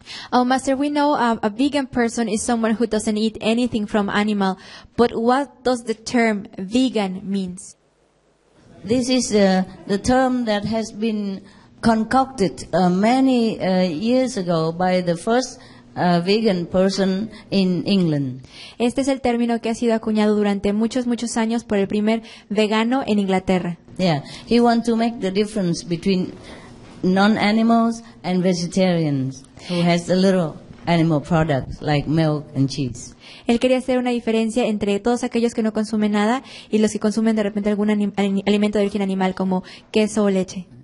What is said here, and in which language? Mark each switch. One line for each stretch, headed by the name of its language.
English: Oh, Master, we know a vegan person is someone who doesn't eat anything from animal. But what does the term vegan mean? This is the term that has been concocted many years ago by the first vegan person in England.
Spanish: Este es el término que ha sido acuñado durante muchos, muchos años por el primer vegano en Inglaterra.
English: Yeah, he wants to make the difference between non-animals and vegetarians. Who has a little animal products like milk and cheese?
Spanish: Él quería hacer una diferencia entre todos aquellos que no consumen nada y los que consumen de repente algún alimento de origen animal como queso o leche.